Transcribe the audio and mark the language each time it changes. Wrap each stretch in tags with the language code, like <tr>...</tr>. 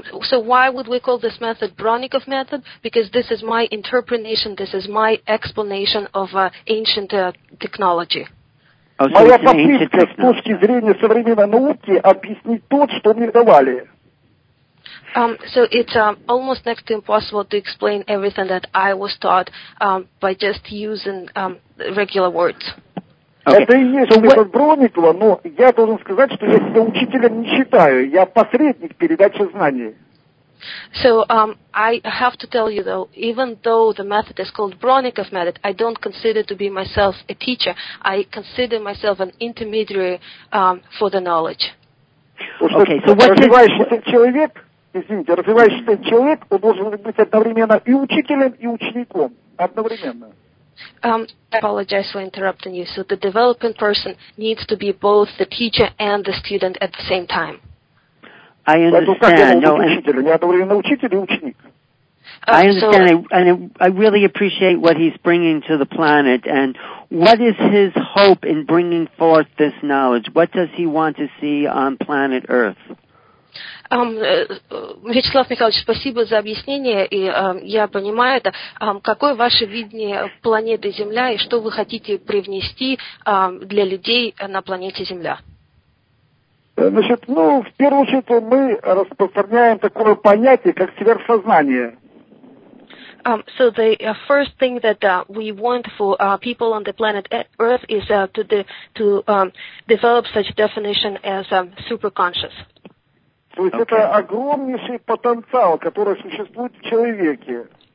<en>So why would we call this method Bronnikov method? Because this is my interpretation, this is my explanation of ancient technology.</en> <ru>Моя попытка с точки зрения современной науки объяснить то, что мне давали.</ru> <en>So it's almost next to impossible to explain everything that I was taught by just using regular words. Okay.</en> <ru>Это и есть so метод Бронникова, но я должен сказать, что я себя учителем не считаю. Я посредник передачи знаний.</ru> <en>So I have to tell you, though, even though the method is called Bronnikov method, I don't consider to be myself a teacher. I consider myself an intermediary for the knowledge. Okay, so what is...</en> <ru>извините, развивающийся человек, он должен быть одновременно и учителем, и учеником. Одновременно.</ru> <en>I apologize for interrupting you. So the developing person needs to be both the teacher and the student at the same time. I understand. No, I understand, and I really appreciate what he's bringing to the planet. And what is his hope in bringing forth this knowledge? What does he want to see on planet Earth?</en> <ru>Вячеслав Михайлович, спасибо за объяснение, и я понимаю это. Какое ваше видение планеты Земля, и что вы хотите привнести для людей на планете Земля? Значит, ну, в первую очередь мы распространяем такое понятие, как сверхсознание.</ru> <en>So the first thing that we want for people on the planet Earth is to develop such definition as superconscious.</en> <ru>То есть это огромнейший потенциал, который существует в человеке.</ru>